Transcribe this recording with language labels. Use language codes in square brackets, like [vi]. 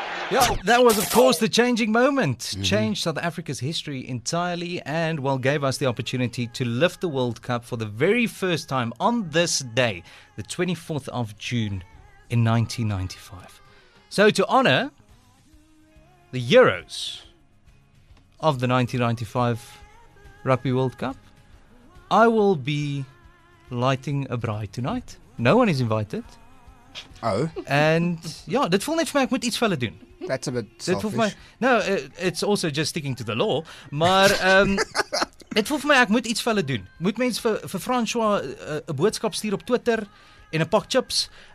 [en] Yeah, that was, of course, the changing moment. Mm-hmm. Changed South Africa's history entirely and, well, gave us the opportunity to lift the World Cup for the very first time on this day, the 24th of June in 1995. So to honor the Euros of the 1995 Rugby World Cup, I will be lighting a braai tonight. No one is invited. Oh. And, yeah, [af] dit voel net vir my, ek moet iets vir hulle doen. [en] That's a bit selfish. My, no, it's also just sticking to the law. [af] Maar, dit voel vir my, ek moet iets vir hulle doen. Moet mens vir François een boodskap stuur op Twitter en een pak chips?